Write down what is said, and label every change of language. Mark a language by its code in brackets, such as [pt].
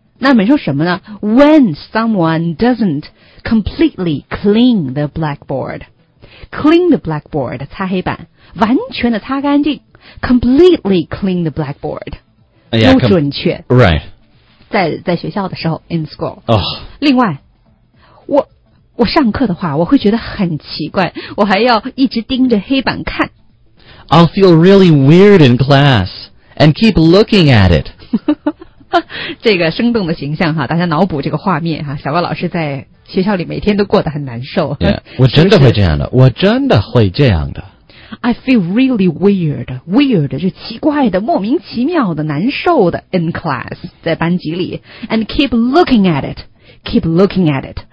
[zh] 那我们说什么呢 [en] ？When someone doesn't completely clean the blackboard, clean the blackboard, [zh] 擦黑板，完全的擦干净 [en] ，completely clean the blackboard, [zh] 不准确 [en] ，right， [zh] 在学校的时候 ， [en] in school。 [zh] 哦，另外，我上课的话，我会觉得很奇怪，我还要一直盯着黑板看。 [en] I'll feel really weird in class and keep looking at it. [zh] 这个生动的形象哈，大家脑补这个画面哈，小高老师在学校里每天都过得很难受。 Yeah, 我真的会这样的，我真的会这样的。 [en] I feel really weird. Weird [zh] 就是奇怪的、莫名其妙的、难受的 [en] in class [zh] 在班级里 [en] and keep looking at it, keep looking at it.